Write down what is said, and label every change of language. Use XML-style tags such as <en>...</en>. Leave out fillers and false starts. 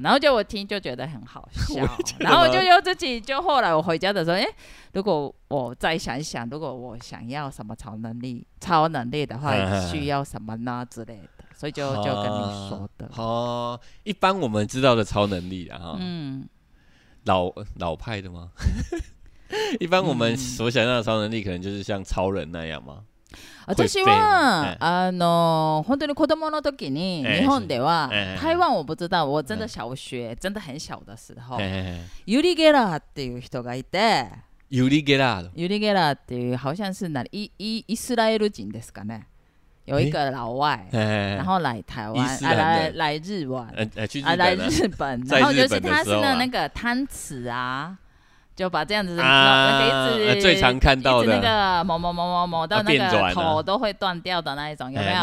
<zh>然后就我听就觉得很好笑，然后就又自己就后来我回家的时候，哎，如果我再想想，如果我想要什么超能力的话，需要什么呢之类的，所以就跟你说的。哦，一般我们知道的超能力啊，嗯，老派的吗？一般我们所想象的超能力可能就是像超人那样吗？</zh> <ja>私は、本当に子供の時に日本では、</ja> <zh>台湾我不知道、我真的小学、真的很小的时候、</zh> <ja>ユリゲラーっていう人がいて、ユリゲラーっていう</ja> <zh>好像是哪里、</zh> <ja>イスラエル人ですかね。</ja> <zh>有一个老外，然后来台湾，来日本，来日本，然后就是他是那个汤匙啊，就把这样子啊，最常看到的那个磨到那个头都会断掉的那一种，有没有？</zh>